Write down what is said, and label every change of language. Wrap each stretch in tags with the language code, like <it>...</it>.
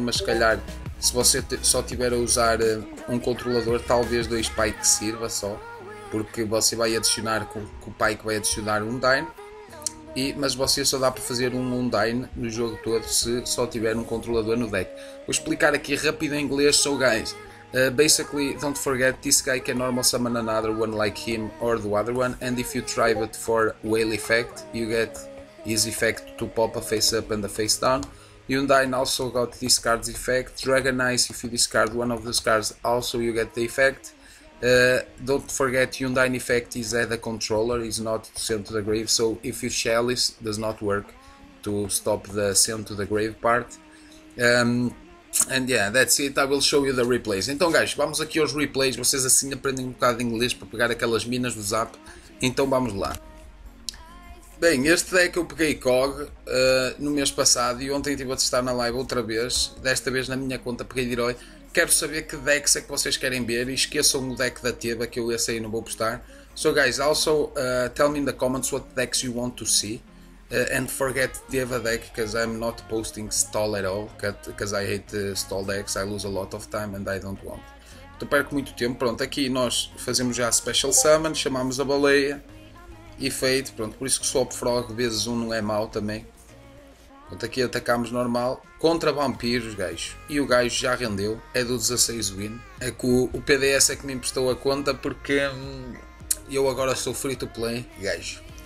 <pt>Mas se calhar se você só tiver a usar um controlador, talvez 2 Spike sirva só. Porque você vai adicionar com o Pyke vai adicionar um Yundyne. Mas você só dá para fazer um Yundyne no jogo todo se só tiver um controlador no deck. Vou explicar aqui rápido em inglês.</pt> <en>So guys, basically don't forget this guy can normal summon another one like him or the other one. And if you try it for whale effect, you get his effect to pop a face up and a face down. Yundyne also got this card's effect. Dragonize, if you discard one of those cards, also you get the effect. Don't forget, Yundyne effect is at the controller, is not sent to the grave. So if you chalice, does not work to stop the sent to the grave part. And yeah, that's it. I will show you the replays.</en> <pt>Então, guys, vamos aqui aos replays. Vocês assim aprendem um bocado de inglês para pegar aquelas minas do Zap. Então, vamos lá. Bem, este deck eu peguei COG no mês passado e ontem estive a testar na live outra vez. Desta vez na minha conta peguei de herói. Quero saber que decks é que vocês querem ver e esqueçam o deck da Teba que eu esse aí não vou postar.</pt> <en>So guys, also tell me in the comments what decks you want to see. And forget Teba deck because I'm not posting stall at all. Because I hate stall decks, I lose a lot of time and I don't want.</en> <pt>Então perco muito tempo. Pronto, aqui nós fazemos já a Special Summon, chamamos a baleia. Efeito, pronto, por isso que Swap Frog vezes 1 não é mau também. Pronto, aqui atacámos normal contra vampiros, gajo. E o gajo já rendeu, é do 16 win. É que o PDS é que me emprestou a conta porque eu agora sou free to play, gajo.</pt>